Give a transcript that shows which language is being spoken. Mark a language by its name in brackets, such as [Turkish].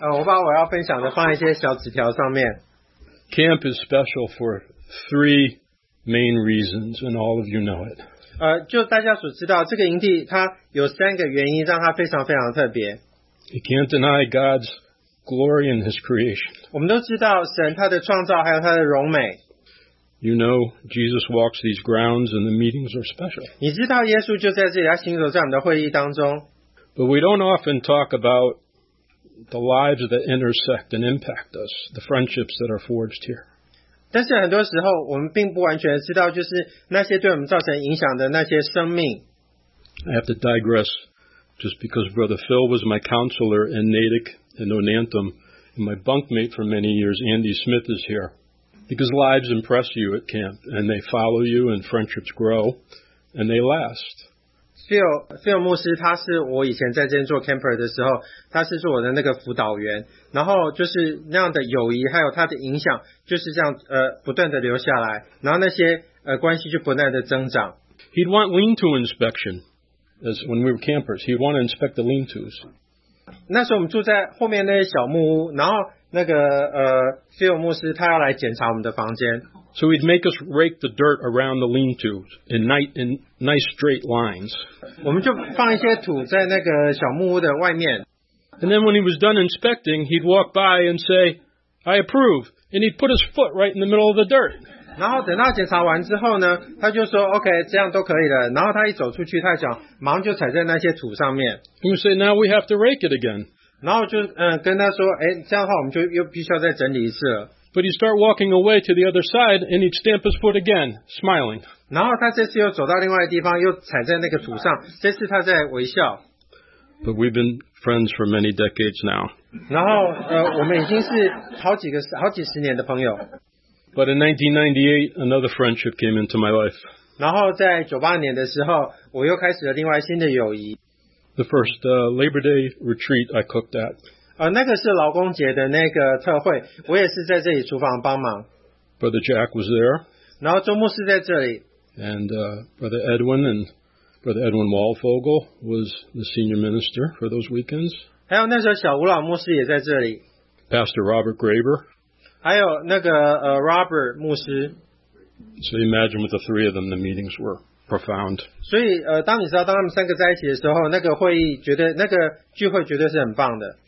[Chinese] 我把我要分享的放一些小纸条上面。 [English] Camp is special for three main reasons, and all of you know it. [Chinese] 就大家所知道，这个营地它有三个原因让它非常非常特别。 [English] You can't deny God's glory in His creation. [Chinese] 我们都知道神他的创造还有他的荣美。 [English] You know Jesus walks these grounds and the meetings are special. [Chinese] 你知道耶稣就在这里，他行走在我们的会议当中。 [English] But we don't often talk about the lives that intersect and impact us, the friendships that are forged here. [Chinese] 但是很多时候我们并不完全知道，就是那些对我们造成影响的那些生命。 [English] I have to digress. Just because Brother Phil was my counselor in Natick and Onantum, and my bunkmate for many years, Andy Smith, is here. Because lives impress you at camp, and they follow you, and friendships grow, and they last. [Chinese] Phil 牧师他是我以前在这边做 camper 的时候，他是做我的那个辅导员，然后就是那样的友谊还有他的影响就是这样不断的留下来，然后那些关系就不断的增长。 [English] He'd want lean-to inspection as when we were campers. He'd want to inspect the lean-tos. [Chinese] 那时候我们住在后面那些小木屋，然后那个Phil 牧师他要来检查我们的房间。 [English] So he'd make us rake the dirt around the lean-to in nice straight lines. [Chinese] 我们就放一些土在那个小木屋的外面。 [English] And then when he was done inspecting, he'd walk by and say, I approve. And he'd put his foot right in the middle of the dirt. [Chinese] 然后等到检查完之后呢，他就说 OK, 这样都可以了。然后他一走出去，他讲，马上就踩在那些土上面。 [English] He would say, now we have to rake it again. [Chinese] 然后就跟他说，哎，这样的话我们就又必须要再整理一次了。 [English] But he'd start walking away to the other side, and he'd stamp his foot again, smiling. [Chinese] 然后他这次又走到另外一个地方，又踩在那个土上。这次他在微笑。 [English] But we've been friends for many decades now. [Chinese] 然后我们已经是好几十年的朋友。 [English] But in 1998, another friendship came into my life. [Chinese] 然后在98年的时候，我又开始了另外新的友谊。 [English] The first Labor Day retreat I cooked at. [Chinese] 那个是劳工节的那个特会，我也是在这里厨房帮忙。 [English] Brother Jack was there. [Chinese] 然后周牧师在这里。 [English] And Brother Edwin and Brother Edwin Walfogel was the senior minister for those weekends. [Chinese] 还有那时候小吴老牧师也在这里。 [English] Pastor Robert Graber. [Chinese] 还有那个Robert 牧师。 [English] So imagine with the three of them, the meetings were profound. [Chinese] 所以当你知道当他们三个在一起的时候，那个会议绝对那个聚会绝对是很棒的。